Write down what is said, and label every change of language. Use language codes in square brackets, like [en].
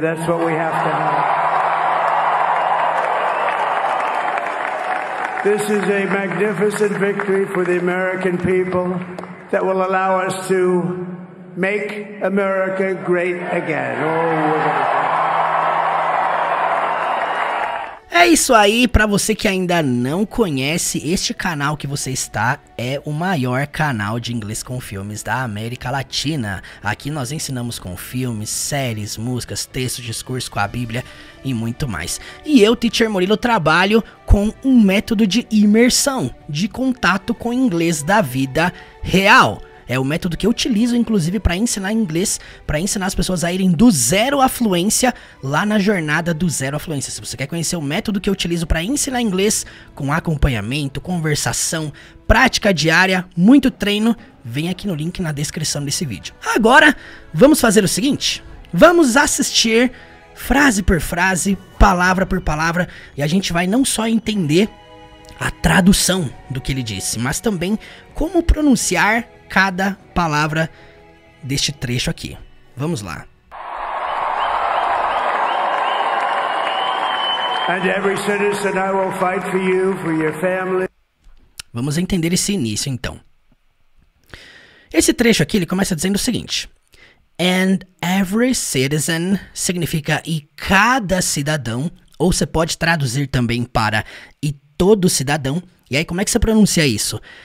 [en] That's what we have to have. This is a magnificent victory for the American people that will allow us to make America great again. Oh, [pt] é isso aí, pra você que ainda não conhece, este canal que você está é o maior canal de inglês com filmes da América Latina. Aqui nós ensinamos com filmes, séries, músicas, textos, discursos com a Bíblia e muito mais. E eu, Teacher Murilo, trabalho com um método de imersão, de contato com o inglês da vida real. É o método que eu utilizo, inclusive, para ensinar inglês, para ensinar as pessoas a irem do zero à fluência lá na jornada do zero à fluência. Se você quer conhecer o método que eu utilizo para ensinar inglês com acompanhamento, conversação, prática diária, muito treino, vem aqui no link na descrição desse vídeo. Agora, vamos fazer o seguinte? Vamos assistir frase por frase, palavra por palavra, e a gente vai não só entender a tradução do que ele disse, mas também como pronunciar cada palavra deste trecho aqui. Vamos lá. [en] And every citizen, I will fight for you, for your family. [pt] Vamos entender esse início, então. Esse trecho aqui, ele começa dizendo o seguinte. [en] And every citizen [pt] significa e cada cidadão, ou você pode traduzir também para e todo cidadão. E aí, como é que você pronuncia isso?